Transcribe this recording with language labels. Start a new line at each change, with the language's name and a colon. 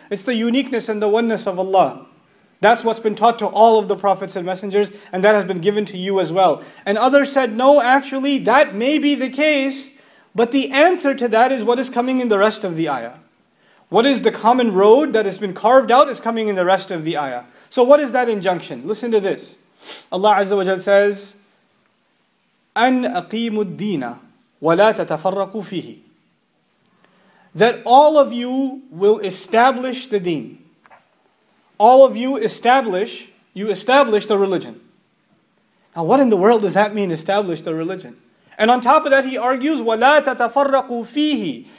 English: It's the uniqueness and the oneness of Allah. That's what's been taught to all of the prophets and messengers, and that has been given to you as well. And others said, no, actually, that may be the case, but the answer to that is what is coming in the rest of the ayah. What is the common road that has been carved out is coming in the rest of the ayah. So what is that injunction? Listen to this. Allah Azza wa Jal says,
Arabic: أَنْ أَقِيمُ الدِّينَ وَلَا تَتَفَرَّقُوا فِيهِ.
English: That all of you will establish the deen. All of you establish the religion. Now what in the world does that mean, establish the religion? And on top of that, he argues,
Arabic: وَلَا تَتَفَرَّقُوا فِيهِ.